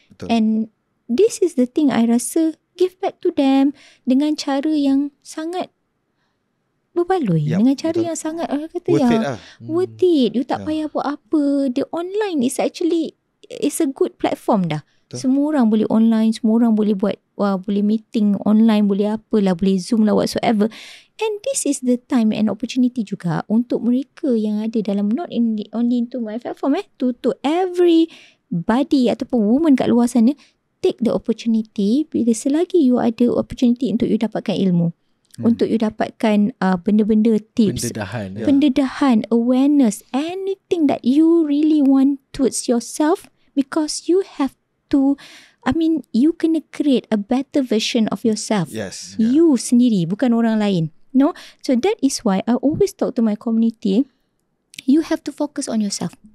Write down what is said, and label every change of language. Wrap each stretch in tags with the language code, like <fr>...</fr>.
<en>Yep. And this is the thing I rasa, give back to them</en> <ms>dengan cara yang sangat berbaloi.</ms> <en>Yep.</en> <ms>Dengan cara yang sangat, orang kata worth it. You tak payah buat apa.</ms> <en>The online is actually, it's a good platform</en> <ms>dah. Betul. Semua orang boleh online, semua orang boleh buat, boleh meeting online, boleh apalah, boleh Zoom lah,</ms> <en>whatsoever. And this is the time and opportunity juga untuk mereka yang ada dalam, not in the, only into my platform to everybody ataupun woman kat luar sana, take the opportunity</en> <ms>bila selagi you ada opportunity untuk you dapatkan ilmu. Untuk you dapatkan benda-benda tips, pendedahan,</ms> <en>awareness, anything that you really want towards yourself, because you have to, I mean,</en> <ms>you kena create</ms> <en>a better version of yourself. Yes.</en> <ms>Yeah. You sendiri, bukan orang lain. No?</ms> <en>So that is why I always talk to my community, you have to focus on yourself.</en>